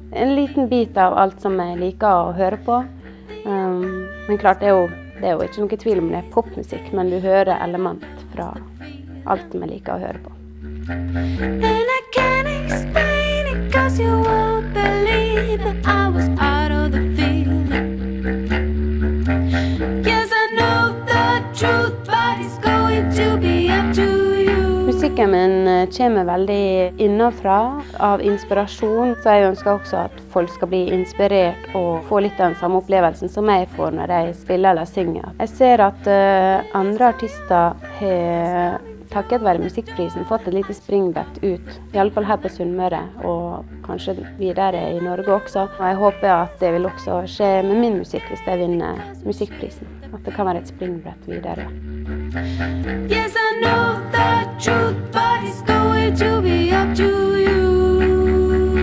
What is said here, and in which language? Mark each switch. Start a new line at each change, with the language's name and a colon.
Norwegian: En liten bit av alt som jeg liker å høre på. Men klart, det er jo ikke noe tvil om det er popmusikk, men du hører element fra alt som jeg liker å høre på.
English: And I can't explain it, 'cause you won't believe it. I was part of the feeling. Yes, I know the truth, but it's going to be up to you.
Norwegian: Musikken min kommer veldig innenfra av inspirasjon, så jeg ønsker også at folk skal bli inspirert og få litt den samme opplevelsen som jeg får når jeg spiller eller synger. Jeg ser at andre artister har takket være musikkprisen fått et lite springbrett ut, i alle fall her på Sunnmøre, og kanskje videre i Norge også. Og jeg håper at det vil også skje med min musikk hvis jeg vinner musikkprisen. At det kan være et springbrett videre.
English: Yes, I know the truth, but it's going to be up to you.